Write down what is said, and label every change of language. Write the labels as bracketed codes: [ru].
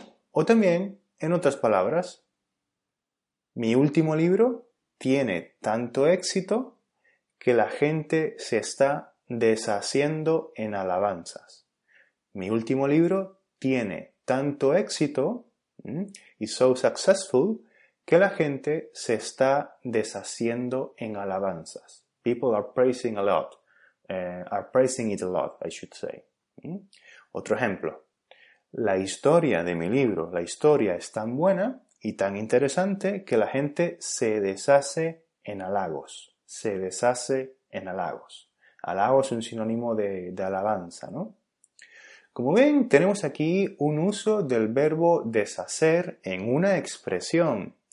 [es] O también, en otras palabras, mi último libro tiene tanto éxito que la gente se está deshaciendo en alabanzas. Mi último libro tiene tanto éxito, y [en] so successful, [es] que la gente se está deshaciendo en alabanzas. [en] People are praising a lot. Are praising it a lot, I should say. [es] Otro ejemplo. La historia de mi libro, la historia es tan buena y tan interesante que la gente se deshace en halagos. Se deshace en halagos. Halago es un sinónimo de alabanza, ¿no? Como ven, tenemos aquí un uso del verbo deshacer en una expresión.